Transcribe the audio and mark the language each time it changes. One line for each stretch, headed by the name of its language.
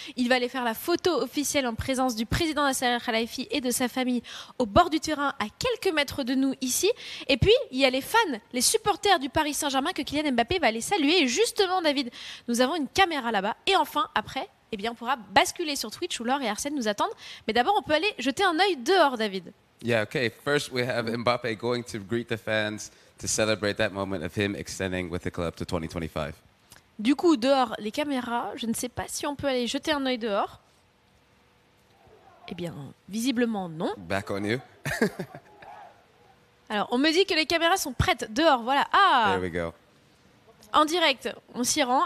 French: Il va aller faire la photo officielle en présence du président Nasser El-Khelaifi et de sa famille au bord du terrain, à quelques mètres de nous ici. Et puis, il y a les fans, les supporters du Paris Saint-Germain que Kylian Mbappé va aller saluer. Et justement, David, nous avons une caméra là-bas. Et enfin, après, eh bien, on pourra basculer sur Twitch où Laure et Arsène nous attendent. Mais d'abord, on peut aller jeter un œil dehors, David.
English: Yeah, okay. First, we have Mbappe going to greet the fans to celebrate that moment of him extending with the club to 2025.
French: Du coup, dehors, les caméras, je ne sais pas si on peut aller jeter un œil dehors. Eh bien, visiblement, non.
English: Back on you.
French: Alors, on me dit que les caméras sont prêtes dehors, voilà. Ah!
English: There we go.
French: en direct, on s'y rend.